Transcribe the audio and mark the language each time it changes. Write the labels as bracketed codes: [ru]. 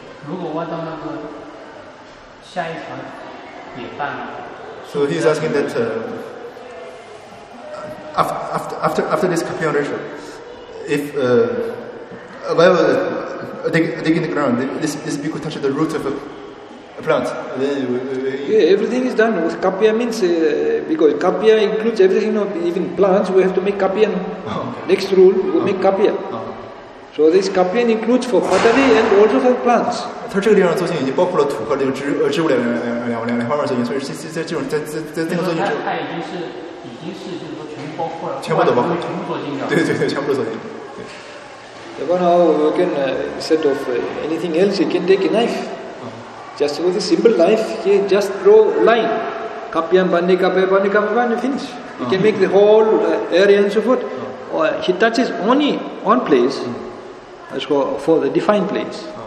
[zh] 如果挖到那个下一层也办了。 [en] So he's asking that after this copy ownership, if while digging the ground, this bhikkhu touches the root of a plant, then everything is done with kapya means. Because kapya includes everything, even plants, we have to make kapya. Next rule, we make kapya. So this kapya includes for pottery and also for plants. [zh] 它这个地方做净已经包括了土和这个植物两方面做净，所以这种在那个做净。它已经是就是说全部包括了。全部都包括。全部做净。对，全部都做净。对。 [en] But now we can instead of anything else, you can take a knife. Just with a simple knife, you just draw line. Kapyan bandi, kapyan bandi, kapyan bandi, finish. You can make the whole area and so forth. He touches only one place, for the defined place.